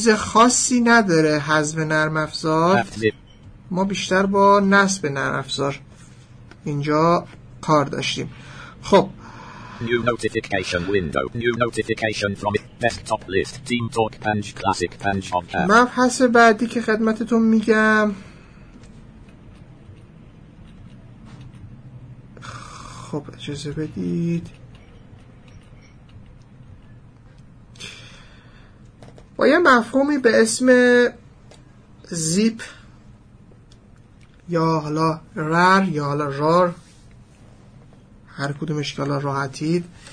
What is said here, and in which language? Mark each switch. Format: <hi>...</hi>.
<fa>چیز خاصی نداره حذف نرم افزار ما بیشتر با نصب نرم افزار اینجا کار داشتیم خب</fa> <en>New notification window. New notification from desktop list. Team Talk Punch Classic Punch on Air.</en> <fa>مبحث بعدی که خدمتتون میگم. خب اجازه بدید. با یه مفهومی به اسم زیپ یا حالا رار یا حالا رار هر کدوم اشکالا راحتید</fa>